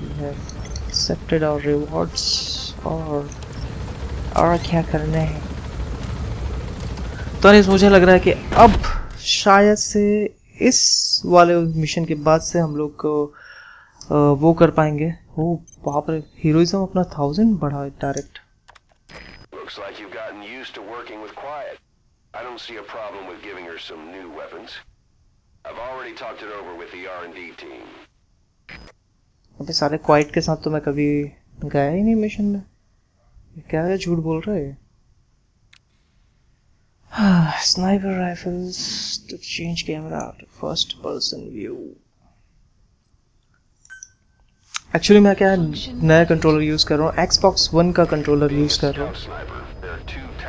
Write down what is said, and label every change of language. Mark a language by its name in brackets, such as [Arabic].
[English] accepted our rewards, [Hindi] और क्या करना है। तो अनिस मुझे लग रहा है कि अब शायद से इस वाले मिशन के बाद से हम लोग वो कर पाएंगे। ओ वहाँ पर हीरोइज्म अपना 1000 बढ़ा है direct. [English] Looks like you've gotten used to working with Quiet. I don't see a problem with giving her some new weapons. I've already talked it over with the R&D team. [Hindi] अबे साले Quiet के साथ तो मैं कभी गया ही नहीं mission में। क्या ये झूठ बोल रहा है? [English] Sniper rifles to change camera to first person view. [Hindi] Actually मैं क्या नया कंट्रोलर यूज़ कर रहा हूँ, एक्सबॉक्स वन का कंट्रोलर यूज कर रहा